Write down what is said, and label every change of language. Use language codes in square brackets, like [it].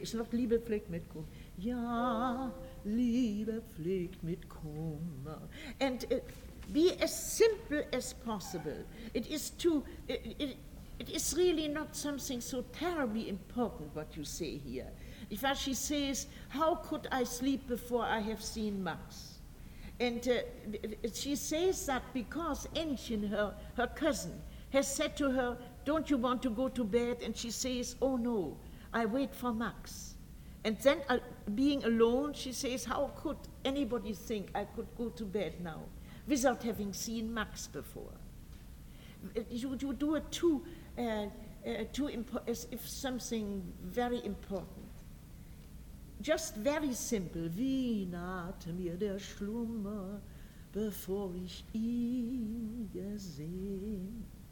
[de] Ist noch Liebe pflegt mit Kummer. Ja, Liebe pflegt mit Kummer. [en] And be as simple as possible. It is too. It is really not something so terribly important what you say here. If as she says, how could I sleep before I have seen Max? And she says that because Enchen, her cousin, has said to her, don't you want to go to bed? And she says, oh no, I wait for Max. And then being alone, she says, how could anybody think I could go to bed now without having seen Max before? You do it as if something very important. Just very simple. [de] Wie nahte mir der Schlummer, bevor ich ihn gesehen.